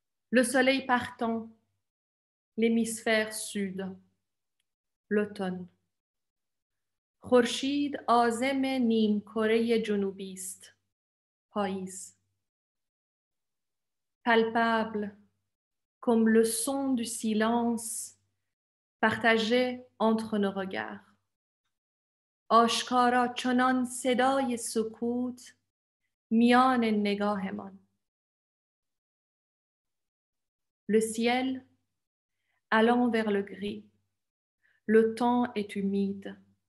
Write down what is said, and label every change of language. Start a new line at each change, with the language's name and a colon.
French: Le soleil partant, l'hémisphère sud, l'automne.
Persian: خورشید عازم نیم کره جنوبی است, پاییز.
French: Palpable, comme le son du silence partagé entre nos regards.
Persian: آشکارا چنان صدای سکوت میان نگاهمان.
French: Le ciel allant vers le gris. Le temps est humide.